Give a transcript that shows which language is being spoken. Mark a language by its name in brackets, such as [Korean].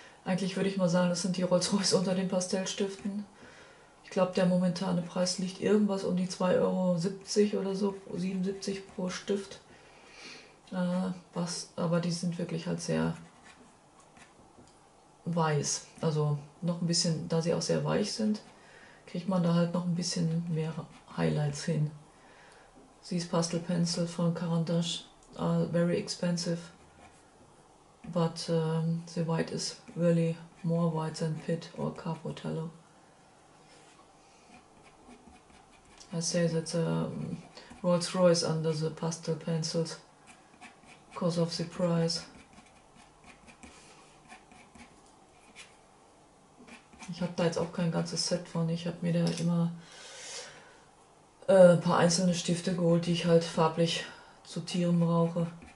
[German] Eigentlich würde ich mal sagen, das sind die Rolls-Royce unter den Pastellstiften. Ich glaube, der momentane Preis liegt irgendwas um die 2,70 Euro oder so, 77 pro Stift. Aber die sind wirklich halt sehr weiß. Also noch ein bisschen, da sie auch sehr weich sind, kriegt man da halt noch ein bisschen mehr Highlights hin. [English] These pastel pencils von Caran d'Ache are very expensive, but the white is really more white than Pitt or Capotello. I say that Rolls-Royce under the pastel pencils because of the price. [German] Ich habe da jetzt auch kein ganzes Set von. Ich habe mir da immer ein paar einzelne Stifte geholt, die ich halt farblich zu Tieren brauche.